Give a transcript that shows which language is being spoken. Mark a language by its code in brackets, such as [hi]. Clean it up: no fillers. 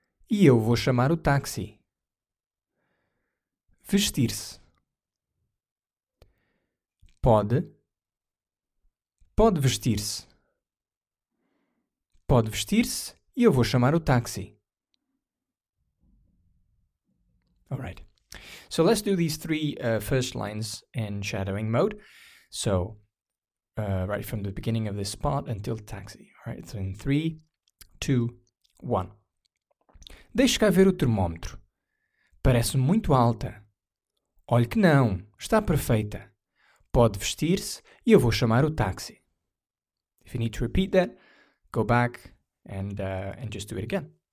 [pt] E eu vou chamar o táxi. Vestir-se. Pode. Pode vestir-se. Pode vestir-se e eu vou chamar o táxi. [en] Alright. So let's do these three first lines in shadowing mode. So, right from the beginning of this part until the taxi. Alright, so in 3, 2, 1. [pt] Deixe cá ver o termómetro. Parece muito alta. Olhe que não, está perfeita. Pode vestir-se e eu vou chamar o táxi. [en] If you need to repeat that, go back and just do it again.